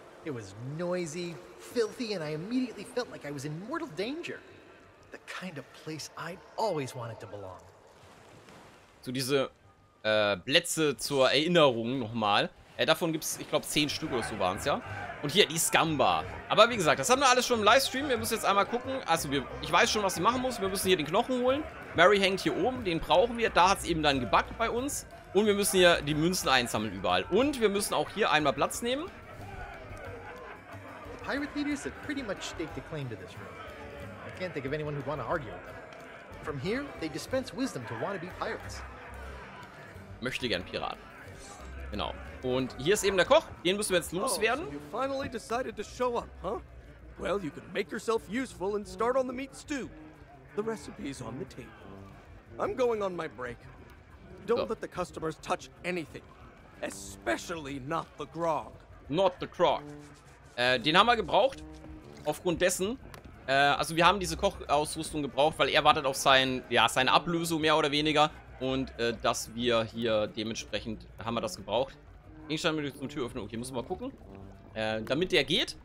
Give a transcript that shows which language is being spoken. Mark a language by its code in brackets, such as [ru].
[en] It was noisy, filthy, and I immediately felt like I was in mortal danger. The kind of place I'd always wanted to belong. [de] So diese Plätze zur Erinnerung nochmal. Davon gibt es, ich glaube, 10 Stück oder so waren es, ja. Und hier die Scamba. Aber wie gesagt, das haben wir alles schon im Livestream. Wir müssen jetzt einmal gucken. Also ich weiß schon, was ich machen muss. Wir müssen hier den Knochen holen. Mary hängt hier oben. Den brauchen wir. Da hat es eben dann gebackt bei uns. Und wir müssen hier die Münzen einsammeln überall. Und wir müssen auch hier einmal Platz nehmen. [en] Pirate leaders have pretty much staked a claim to this room. I can't think of anyone who'd want to argue with them. From here, they dispense wisdom to wannabe pirates. [de] Möchte gern Piraten. Genau. Und hier ist eben der Koch. Den müssen wir jetzt loswerden. [en] Oh, so you finally decided to show up, huh? Well, you can make yourself useful and start on the meat stew. The recipe's on the table. I'm going on my break. Don't let the customers touch anything. Especially not the grog. Not the grog. [de] Den haben wir gebraucht. Aufgrund dessen. Also wir haben diese Kochausrüstung gebraucht, weil er wartet auf sein, ja, seine Ablösung mehr oder weniger. Und dass wir hier dementsprechend, haben wir das gebraucht. Gegenstand mit der Tür öffnen. Okay, müssen wir mal gucken. Damit der geht.